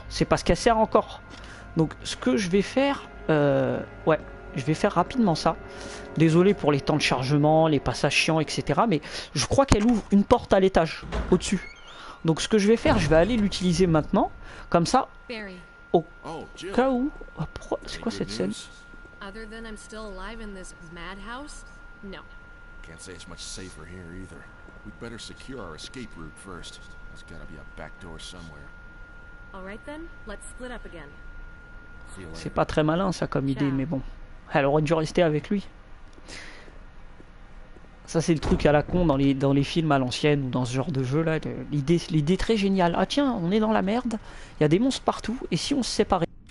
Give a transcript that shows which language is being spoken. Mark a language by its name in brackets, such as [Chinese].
[French] C'est parce qu'elle sert encore. Donc, ce que je vais faire... ouais, je vais faire rapidement ça. Désolé pour les temps de chargement, les passages chiants, etc. Mais je crois qu'elle ouvre une porte à l'étage, au-dessus. Donc ce que je vais faire, je vais aller l'utiliser maintenant. Comme ça, Barry. au cas où... Oh, pourquoi... C'est quoi cette scène? [English] Other than I'm still alive in this madhouse? No. Can't say it's much safer here either. We'd better secure our escape route first. There's gotta be a back door somewhere. All right then, let's split up again. [French] C'est pas très malin ça comme idée, mais bon. Elle aurait dû rester avec lui. Ça c'est le truc à la con dans les films à l'ancienne ou dans ce genre de jeu là. L'idée très géniale. Ah tiens, on est dans la merde. Il y a des monstres partout. Et si on se séparait?